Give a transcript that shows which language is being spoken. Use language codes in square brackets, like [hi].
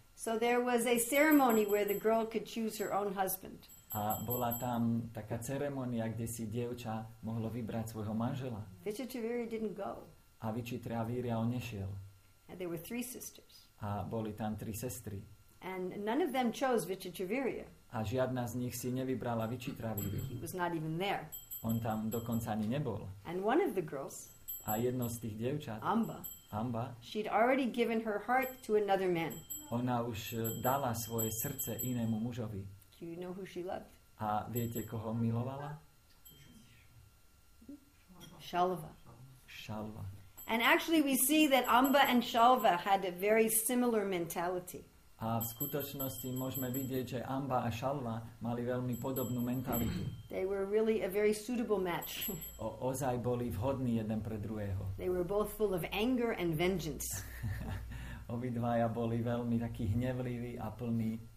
[en] So there was a ceremony where the girl could choose her own husband. [sk] A bola tam taká ceremonia, kde si dievča mohlo vybrať svojho manžela. [en] Vichitravirya didn't go. [sk] A Vichitravirya on nešiel. [en] And there were three sisters. [sk] A boli tam tri sestry. [en] And none of them chose Vichitravirya. [sk] A žiadna z nich si nevybrala Vichitravirya. [en] He was not even there. [sk] On tam dokonca ani nebol. [en] And one of the girls. [sk] A jedno z tých dievčat. [en] Amba. She'd already given her heart to another man. [sk] Ona už dala svoje srdce inému mužovi. [en] Do you know who she loved? [sk] A viete, koho milovala? [en] Shalva. And actually we see that Amba and Shalva had a very similar mentality. [sk] A v skutočnosti môžeme vidieť, že Amba a Shalva mali veľmi podobnú mentalitu. [en] They were really a very suitable match. [sk] Ozaj boli vhodní jeden pre druhého. [en] They were both full of anger and vengeance. [sk] Obidvaja boli veľmi takí hnevliví a plní